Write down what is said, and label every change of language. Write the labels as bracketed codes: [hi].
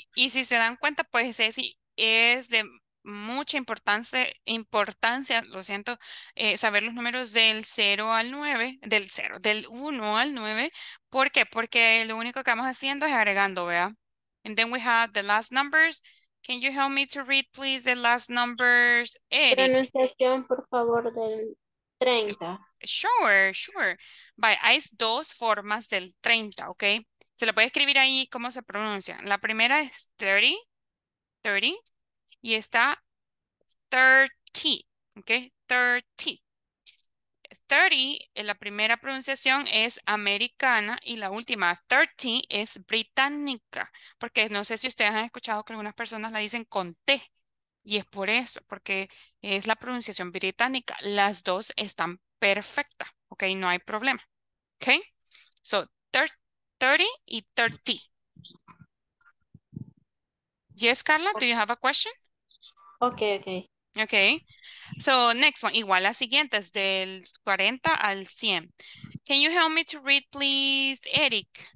[es] Y si se dan cuenta, pues Ceci es de mucha importancia, lo siento, saber los números del 0 al 9, del 0, del 1 al 9. ¿Por qué? Porque lo único que vamos haciendo es agregando, ¿vea? [en] And then we have the last numbers. Can you help me to read, please, the last numbers, Eric? [es] Pronunciación, por favor, del 30. [en] Sure, sure. [es] Vaya, hay dos formas del 30, ¿ok? Se la puede escribir ahí cómo se pronuncia. La primera es 30, 30, y está 30, ¿ok? 30. 30, en la primera pronunciación es americana y la última, 30, es británica. Porque no sé si ustedes han escuchado que algunas personas la dicen con T. Y es por eso, porque es la pronunciación británica. Las dos están perfectas, ¿ok? No hay problema, ¿ok? So, 30 y 30. [en] Yes, Carla, do you have a question? Okay, okay. Okay, so next one, [es] igual las siguientes, del 40 al 100. [en] Can you help me to read, please, Eric?